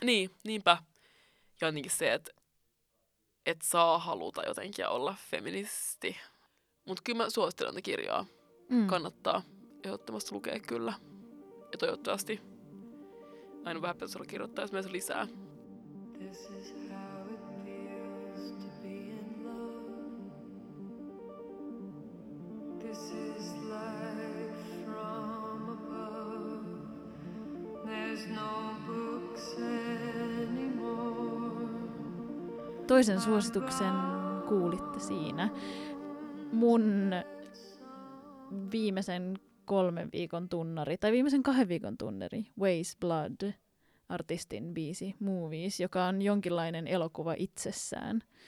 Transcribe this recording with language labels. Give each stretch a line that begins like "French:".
Finnish: Niin, niinpä. Ja jotenkin se, että saa haluta jotenkin olla feministi. Mutta kyllä mä suosittelen kirjaa. Kannattaa ehdottomasti lukea kyllä. Ja toivottavasti aina vähän pitäisi kirjoittaa esimerkiksi lisää.
English: This is how it feels to be in love. This is life from above. There's no books anymore.
Finnish: Toisen suosituksen kuulitte siinä. Mun viimeisen 3 viikon tunnari, tai viimeisen 2 viikon tunnari, Waste Blood, artistin biisi Movies, joka on jonkinlainen elokuva itsessään.